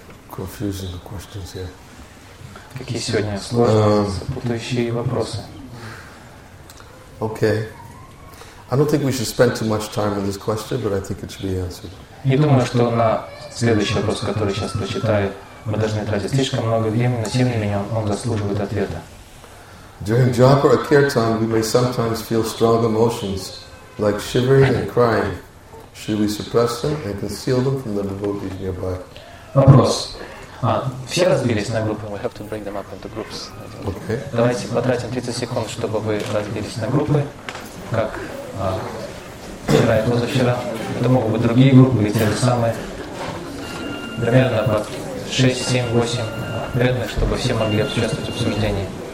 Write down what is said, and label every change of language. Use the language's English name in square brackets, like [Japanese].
[English] Confusing the questions here. [Russian] Какие сегодня сложные, запутывающие вопросы. [English] Okay. I don't think we should spend too much time on this question, but I think it should be answered. [Russian] Не думаю, что на следующий вопрос, который сейчас прочитаю, мы должны тратить слишком много времени, но тем не менее он заслуживает ответа. [English] During japa or kirtan, we may sometimes feel strong emotions, like shivering and crying. Should we suppress them and conceal them from the devotees nearby? [Russian] Вопрос. Все разбились на группы. [English] We have to break them up into groups. Okay. [Russian] Давайте потратим 30 секунд, чтобы вы разбились на группы, как вчера и позавчера. Это могут быть другие группы или те же самые. Примерно по 6, 7, 8 преданных, чтобы все могли участвовать в обсуждении.